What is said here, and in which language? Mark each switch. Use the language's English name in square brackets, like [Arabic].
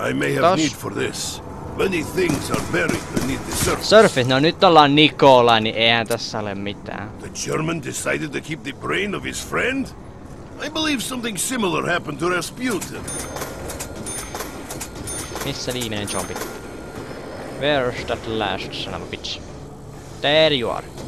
[English] Many things are buried beneath the surface. Surface? [Finnish] No nyt ollaan Nikola, niin eihän tässä ole mitään. [English] The German decided to keep the brain of his friend? I believe something similar happened to Rasputin. [Finnish] Missä viimeinen zombi? [English] Where's that last son of a bitch? There you are.